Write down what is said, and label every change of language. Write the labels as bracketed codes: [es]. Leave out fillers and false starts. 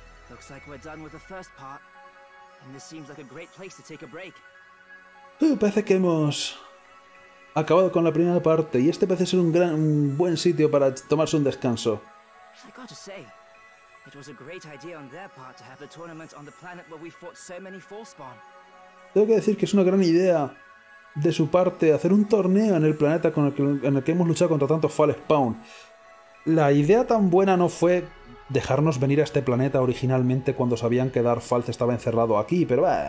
[en] Looks like we're done with the first part, and this seems like a great place to take a break. [es] Parece que hemos acabado con la primera parte y este parece ser un buen sitio para tomarse un descanso. [en] I got to say, it was a great idea on their part to have the tournament on the planet where we fought so many Forspawn. [es] Tengo que decir que es una gran idea de su parte hacer un torneo en el planeta en el que hemos luchado contra tantos Fallspawn. La idea tan buena no fue dejarnos venir a este planeta originalmente cuando sabían que Darth Falz estaba encerrado aquí, pero...